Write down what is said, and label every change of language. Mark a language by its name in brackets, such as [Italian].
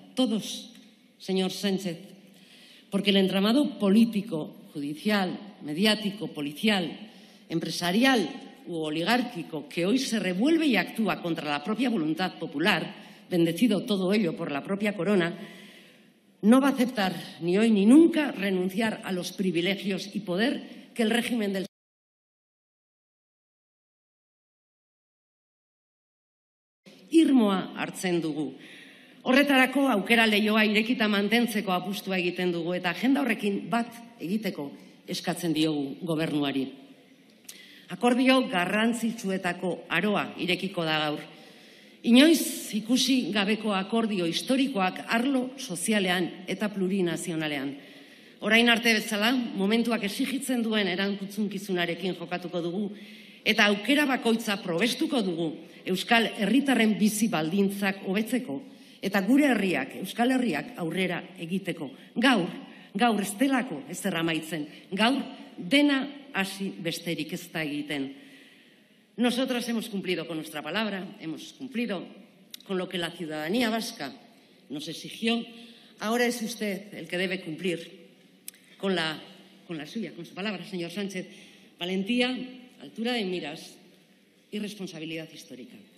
[Spanish] Todos, señor Sánchez, porque el entramado político, judicial, mediático, policial, empresarial u oligárquico que hoy se revuelve y actúa contra la propia voluntad popular, bendecido todo ello por la propia corona, no va a aceptar ni hoy ni nunca renunciar a los privilegios y poder que el régimen del [Basque] irmoa hartzen dugu. Horretarako aukera leioa irekita mantentzeko apustua egiten dugu eta agenda horrekin bat egiteko eskatzen diogu gobernuari. Akordio garrantzitsuetako aroa irekiko da gaur. Inoiz ikusi gabeko akordio historikoak arlo sozialean eta plurinazionalean. Orain arte bezala, momentuak exigitzen duen erantzukizunarekin jokatuko dugu eta aukera bakoitza probestuko dugu euskal herritarren bizi baldintzak hobetzeko. Eta gure herriak, Euskal Herriak, aurrera egiteko. Gaur estelako ezer amaitzen. Gaur dena hasi besterik ez da egiten. [Spanish] Nosotras hemos cumplido con nuestra palabra, hemos cumplido con lo que la ciudadanía vasca nos exigió. Ahora es usted el que debe cumplir con la suya, con su palabra, señor Sánchez. Valentía, altura de miras y responsabilidad histórica.